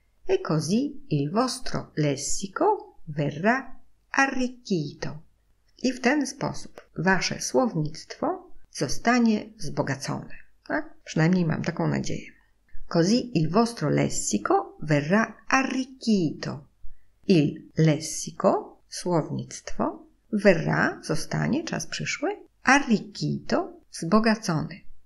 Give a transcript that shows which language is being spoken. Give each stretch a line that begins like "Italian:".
Italian: E così il vostro lessico verrà arricchito.
Polish: I w ten sposób wasze słownictwo zostanie wzbogacone. Tak? Przynajmniej mam taką nadzieję.
Italian: Così il vostro lessico verrà arricchito.
Polish: Il lessico, słownictwo, verrà, zostanie, czas przyszły, arricchito, wzbogacony.